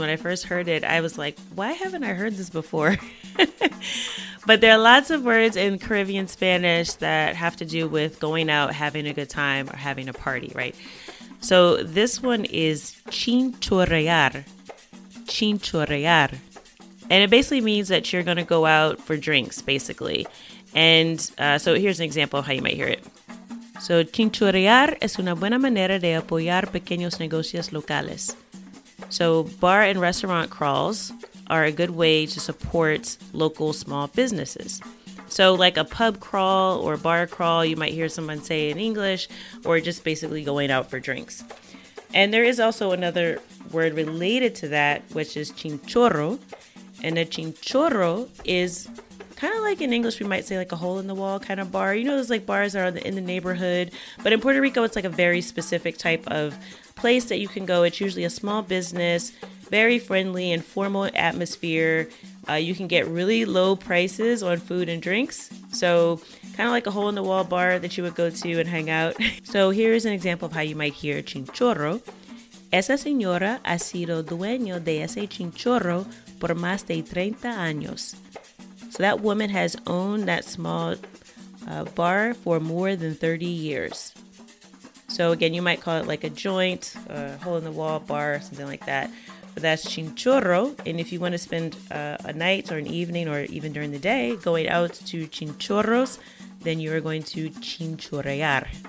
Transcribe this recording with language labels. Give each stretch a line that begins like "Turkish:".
English: When I first heard it, I was like, why haven't I heard this before? But there are lots of words in Caribbean Spanish that have to do with going out, having a good time, or having a party, right? So this one is chinchorrear. Chinchorrear. And it basically means that you're going to go out for drinks, basically. And so here's an example of how you might hear it.
Spanish: So chinchorrear es una buena manera de apoyar pequeños negocios locales.
English: So bar and restaurant crawls are a good way to support local small businesses. So like a pub crawl or bar crawl, you might hear someone say in English, or just basically going out for drinks. And there is also another word related to that, which is chinchorro. And a chinchorro is kind of like in English, we might say like a hole in the wall kind of bar. You know, those like bars that are in the neighborhood. But in Puerto Rico, it's like a very specific type of place that you can go. It's usually a small business, very friendly, informal atmosphere. You can get really low prices on food and drinks. So kind of like a hole in the wall bar that you would go to and hang out. So here's an example of how you might hear chinchorro.
Spanish: Esa señora ha sido dueño de ese chinchorro por más de 30 años.
English: So that woman has owned that small bar for more than 30 years. So again, you might call it like a joint, a hole in the wall bar, something like that. But that's chinchorro. And if you want to spend a night or an evening or even during the day going out to chinchorros, then you are going to chinchorrear.